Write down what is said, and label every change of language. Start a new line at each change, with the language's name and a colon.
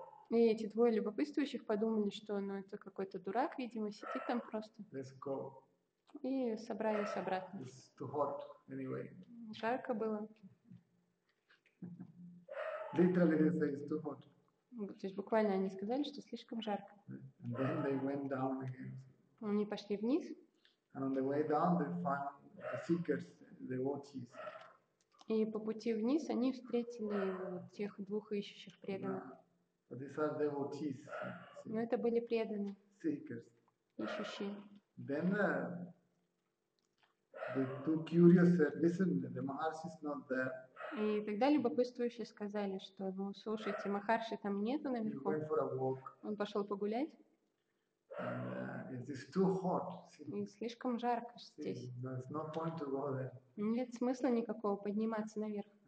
Russian: И эти двое любопытствующих подумали, что ну, это какой-то дурак, видимо, сидит там просто.
English: Let's go.
Russian: И собрались обратно.
English: It's too hot anyway.
Russian: Жарко было.
English: Literally they say it's too hot.
Russian: То есть буквально они сказали, что слишком жарко.
English: And then they went down again.
Russian: Они пошли вниз.
English: And on the way down they found the seekers, the devotees.
Russian: И по пути вниз они встретили тех двух ищущих преданных.
English: But these are devotees.
Russian: Но это были преданные.
English: Seekers.
Russian: Ищущие.
English: Then the two curious said, "Listen, the Maharshi is not there."
Russian: И тогда любопытствующие сказали, что, ну, слушайте, Махарши там нету наверху.
English: He went for a walk.
Russian: Он пошел погулять.
English: It is too hot.
Russian: И слишком жарко здесь.
English: There's no point to go there.
Russian: Нет смысла никакого подниматься наверх.